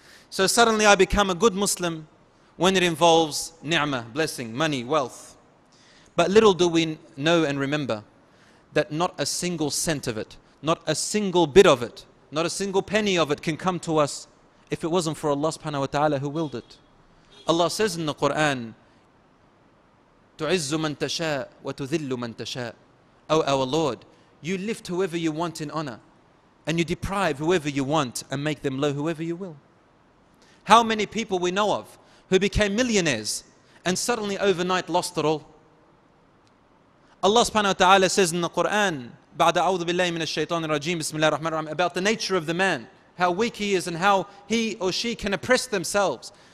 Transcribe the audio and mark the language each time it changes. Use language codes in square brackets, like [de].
[en] So suddenly I become a good Muslim when it involves ni'mah, blessing, money, wealth. But little do we know and remember that not a single cent of it, not a single bit of it, not a single penny of it can come to us if it wasn't for Allah subhanahu wa ta'ala who willed it. Allah says in the Quran, [ar] تُعِزُّ مَن تَشَاءُ وَتُذِلُّ مَن تَشَاءُ. [en] Oh our Lord, you lift whoever you want in honor and you deprive whoever you want and make them low whoever you will. How many people we know of who became millionaires and suddenly overnight lost it all? Allah subhanahu wa ta'ala says in the Quran, [ar] بَعْدَ أَعُوذُ بِاللَّهِ مِنَ الشَّيْطَانِ الرَّجِيمِ بِسْمِ اللَّهِ الرَّحْمَنِ الرَّحِيمِ, [en] about the nature of the man, how weak he is and how he or she can oppress themselves.